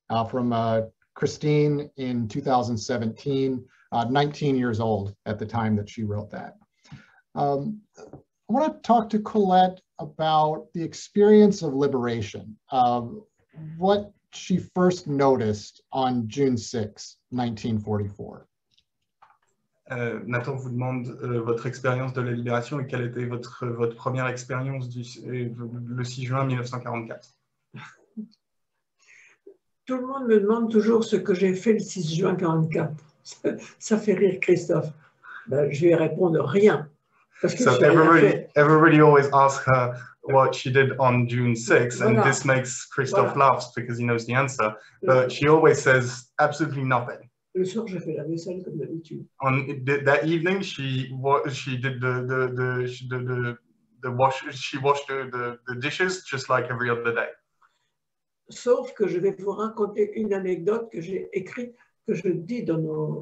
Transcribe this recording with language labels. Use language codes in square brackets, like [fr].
[en] From Christine in 2017, 19 years old at the time that she wrote that. I want to talk to Colette about the experience of liberation, what she first noticed on June 6, 1944. [fr] Nathan vous demande votre expérience de la libération et quelle était votre première expérience le 6 juin 1944. Tout le monde me demande toujours ce que j'ai fait le 6 juin 1944. Ça fait rire Christophe. Ben, je vais répondre rien. [en] So everybody always asks her what she did on June 6th, voilà. And this makes Christophe voilà. Laughs because he knows the answer, but she always says absolutely nothing. [fr] Le soir, j'ai fait la vaisselle comme d'habitude. [en] On that evening, she washed the dishes just like every other day. [fr] Sauf que je vais vous raconter une anecdote que j'ai écrite, que je dis dans nos...